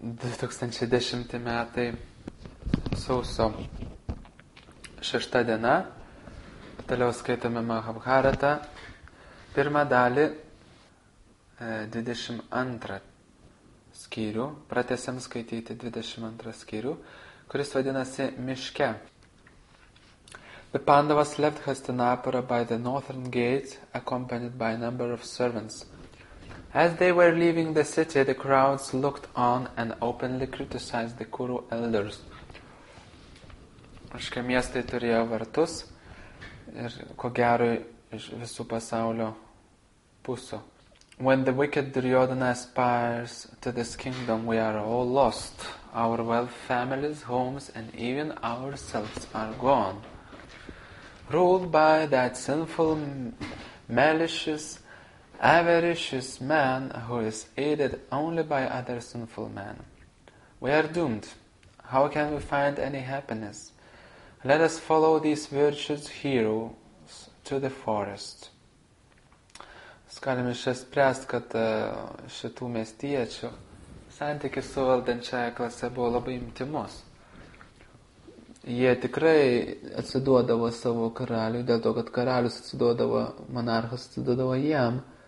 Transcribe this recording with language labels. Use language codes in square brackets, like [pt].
[lt] 2010 metai sausio 6 diena, toliau skaitome Mahabharatą, pirmą dalį, 22 skyrių, pratesiam skaityti 22 skyrių, kuris vadinasi Miške. [en] The Pandavas left Hastinapura by the northern gate, accompanied by a number of servants. As they were leaving the city, the crowds looked on and openly criticized the Kuru elders. [lt] Reiškia, miestai turėjo vartus ir ko gero iš visų pasaulio pusių. [en] When the wicked Duryodhana aspires to this kingdom, we are all lost. Our wealth, families, homes and even ourselves are gone. Ruled by that sinful, malicious, avaricious man who is aided only by other sinful men. We are doomed. How can we find any happiness? Let us follow these virtuous heroes to the forest. [lt] Galime išspręsti, kad šitų miestiečių santykis su valdančiaja klase buvo labai intimus. Jie tikrai atsiduodavo savo karaliui, dėl to, kad karalius atsiduodavo, monarchas atsiduodavo jam.